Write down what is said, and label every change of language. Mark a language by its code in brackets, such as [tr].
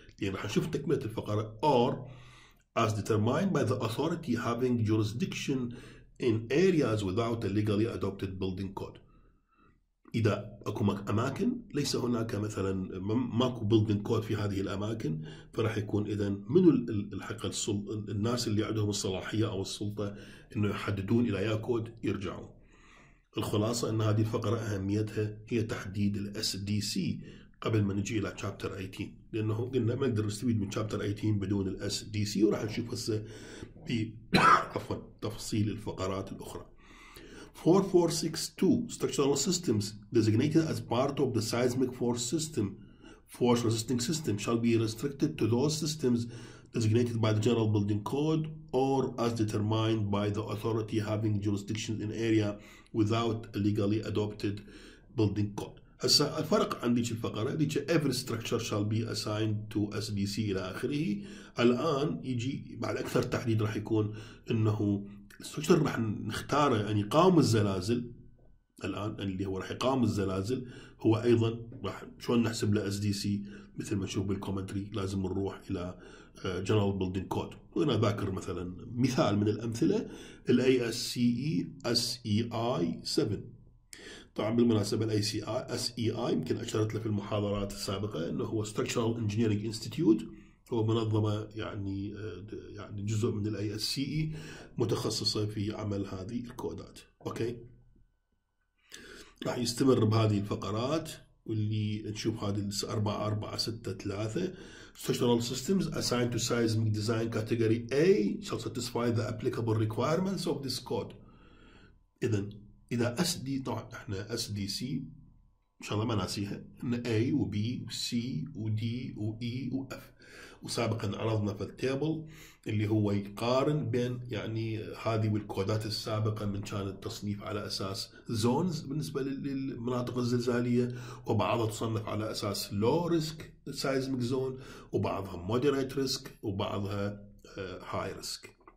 [ar] يعني راح نشوف تكمله الفقره [en] or as determined by the authority having jurisdiction in areas without a legally adopted building code. [ar] اذا اكو اماكن ليس هناك مثلا ماكو building code في هذه الاماكن فراح يكون اذا من الحق الناس اللي عندهم الصلاحيه او السلطه انه يحددون الى يا كود يرجعون. الخلاصه ان هذه الفقره اهميتها هي تحديد الـ SDC قبل ما نجي الى تشابتر 18 لانه قلنا ما نقدر نستفيد من تشابتر 18 بدون الـ SDC وراح نشوف هسه ب عفوا تفصيل الفقرات الاخرى. [en] 4462 Structural systems designated as part of the seismic force system, force resisting system shall be restricted to those systems designated by the general building code or as determined by the authority having jurisdiction in area without a legally adopted building code. [ar] هسا الفرق عن ذيك الفقره ذيك [en] every structure shall be assigned to SDC [ar] الى اخره. الان يجي بعد اكثر تحديد راح يكون انه الستركشر راح نختاره ان يقاوم الزلازل. الان اللي هو راح يقاوم الزلازل هو ايضا راح شلون نحسب له SDC مثل ما نشوف بالكومنتري لازم نروح الى General Building Code. وأنا ذاكر مثلا مثال من الأمثلة الـ ASCE SEI 7. طبعا بالمناسبة الـ SEI يمكن أشرت له في المحاضرات السابقة أنه هو Structural Engineering Institute هو منظمة يعني جزء من الـ ASCE متخصصة في عمل هذه الكودات. أوكي راح يستمر بهذه الفقرات واللي نشوف هذه [en] 4463 Structural systems assigned to seismic design category A shall satisfy the applicable requirements of this code. [ar] إذن إذا SD طبعا إحنا SDC إن شاء الله ما ناسيها إن A و B و C و D و E و F وسابقا عرضنا في التابل اللي هو يقارن بين يعني هذه والكودات السابقة من كان التصنيف على أساس زونز بالنسبة للمناطق الزلزالية وبعضها تصنف على أساس [en] low risk seismic zone [ar] وبعضها moderate risk وبعضها high risk.